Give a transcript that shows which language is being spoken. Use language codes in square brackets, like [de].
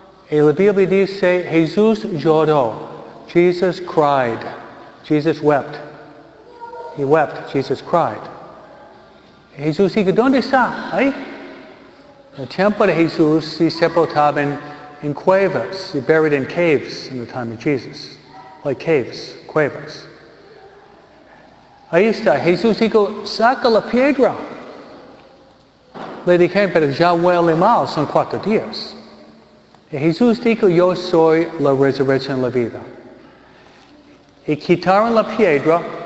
[es] Y la Biblia dice, Jesús lloró, [en] Jesus cried, Jesus wept. He wept, Jesus cried. [es] Jesús dijo, ¿dónde está? ¿Ay? El templo de Jesús se sepultaba en in cuevas. [en] You're buried in caves in the time of Jesus. Like caves, [es] cuevas. Ahí está. Jesús dijo, saca la piedra. Le dije, pero ya huele mal, son cuatro días. Y Jesús dijo, yo soy la resurrección y la vida. Y quitaron la piedra.